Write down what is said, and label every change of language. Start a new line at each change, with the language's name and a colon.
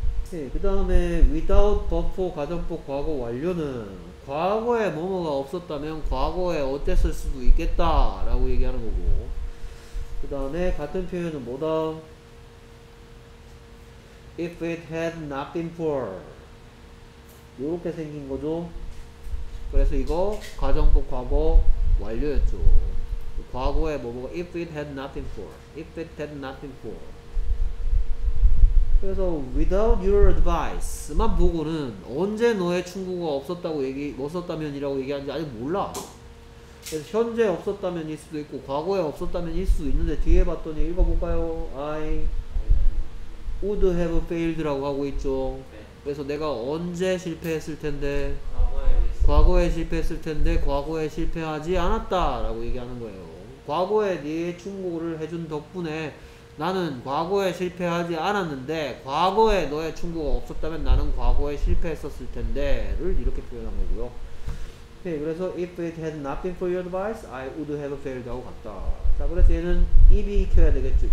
Korean: 네, 그 다음에 without before 가정법 과거 완료는 과거에 뭐뭐가 없었다면 과거에 어땠을 수도 있겠다 라고 얘기하는 거고, 그 다음에 같은 표현은 뭐다?
English: if it had not been for
Korean: 요렇게 생긴 거죠. 그래서 이거 가정법 과거 완료였죠. 과거에 뭐뭐가
English: if it had not been for if it had not been for.
Korean: 그래서
English: without your advice
Korean: 만 보고는 언제 너의 충고가 없었다고 얘기 없었다면이라고 얘기하는지 아직 몰라. 그래서 현재 없었다면일 수도 있고 과거에 없었다면일 수도 있는데 뒤에 봤더니 읽어볼까요?
English: I would have failed
Korean: 라고 하고 있죠. 그래서 내가 언제 실패했을 텐데 과거에 실패했을 텐데 과거에 실패하지 않았다라고 얘기하는 거예요. 과거에 네 충고를 해준 덕분에 나는 과거에 실패하지 않았는데 과거에 너의 충고가 없었다면 나는 과거에 실패했었을 텐데 를 이렇게 표현한 거고요. 네, 그래서
English: if it had not been for your advice I would have failed
Korean: 하고 갔다. 자, 그래서 얘는 if이 켜야 되겠죠.